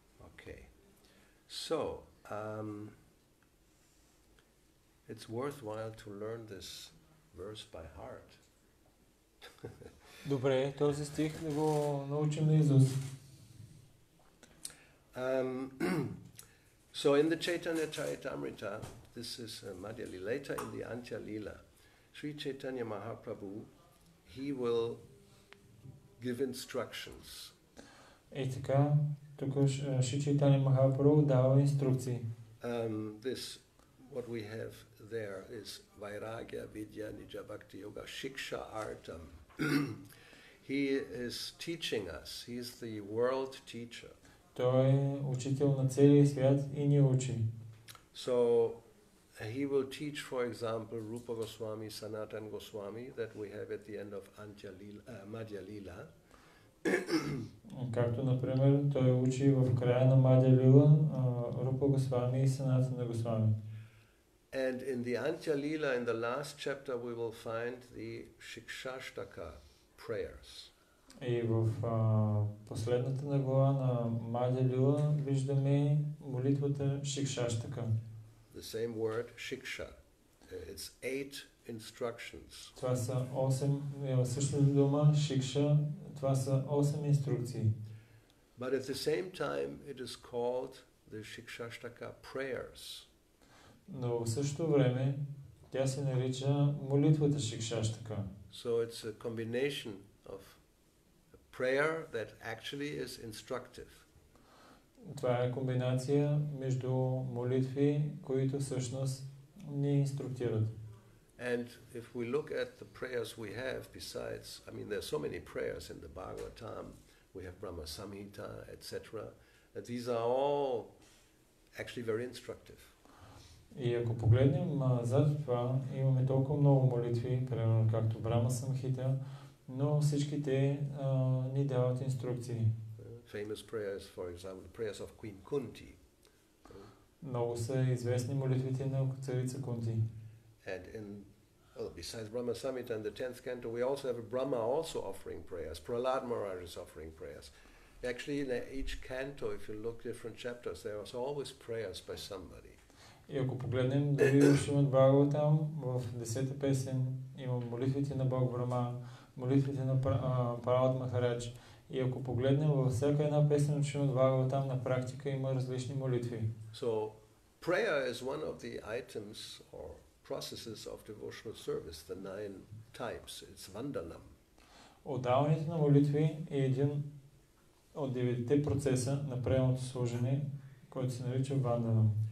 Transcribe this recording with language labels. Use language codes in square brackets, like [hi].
[en] Okay, so it's worthwhile to learn this verse by heart. [bg] Добре, този стих да го научим наизус. [en] So in the Chaitanya Charitamrita, this is Madhya Lila, later in the Antya Lila, Sri Chaitanya Mahaprabhu, he will give instructions. [bg] И така, тук Шри Чайтанья Махапрабху дава инструкции. [en] This, what we have there is [sa] Vairagya Vidya Nija Bhakti Yoga Shiksha Artam. [en] He is teaching us. He is the world teacher. [bg] Той е учител на целия свят и ни учи. [en] So he will teach, for example, Rupa Goswami, Sanatan Goswami, that we have at the end of Madhya Lila. [bg] Както например, той учи в края на Madhya Lila Rupa Goswami и Sanatana Goswami. [en] And in the Antya Lila, in the last chapter, we will find the Shikshashtaka prayers. [bg] И в последната глава на Madhya Lila виждаме молитвата Шикшаштака. [en] The same word, Shiksha. It's eight instructions. [bg] Това са осем, същата дума, Shiksha, това са осем инструкции. [en] But at the same time, it is called the Shikshashtaka prayers. [bg] Но в същото време тя се нарича молитвата Шикшаштака. [en] So it's a combination of a prayer that actually is instructive. [bg] Това е комбинация между молитви, които всъщност ни инструктират. [en] And if we look at the prayers we have besides, I mean there are so many prayers in the Bhagavatam, we have Brahma Samhita, etc. That these are all actually very instructive. [bg] И ако погледнем зад това, имаме толкова много молитви, примерно както Брама Самхита, но всички те ни дават инструкции. [en] Famous prayers, for example, the prayers of Queen Kunti. [bg] Много са известни молитвите на царица Кунти. [en] And in, well, besides Brama Samhita and the 10th canto, we also have Brahma also offering prayers. Prahlad Maharaj is offering prayers. Actually, in each canto, if you look different chapters, there are always prayers by somebody. [bg] И ако погледнем дали Шримад Бхагаватам, в 10-та песен има молитвите на Бог Брама, молитвите на Прахлад Махарадж. И ако погледнем във всяка една песен от Шримад Бхагаватам, на практика има различни молитви. [en] So, prayer is one of the items or processes of devotional service, the nine types. It's vandanam. [bg] Отдаването на молитви е един от 9-те процеса на приемното служение, който се нарича ванданам.